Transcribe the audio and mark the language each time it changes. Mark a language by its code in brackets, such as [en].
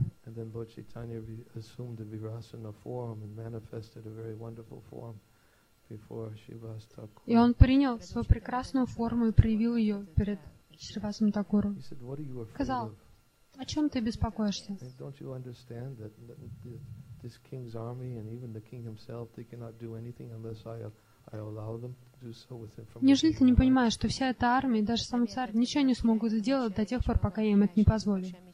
[en] And then Lord Chaitanya assumed the Virasana form and manifested a very wonderful form before Shrivas Thakur. [ru] И он принял свою прекрасную форму и проявил ее перед Шривасом Такуру. [en] He said, "What are you afraid of?" [ru] Сказал, о чем ты беспокоишься? [en] Don't you understand that this king's army and even the king himself they cannot do anything unless I allow them to do so with information? [ru] Неужели ты не понимаешь, что вся эта армия, даже сам царь, ничего не смогут сделать до тех пор, пока я им это не позволю?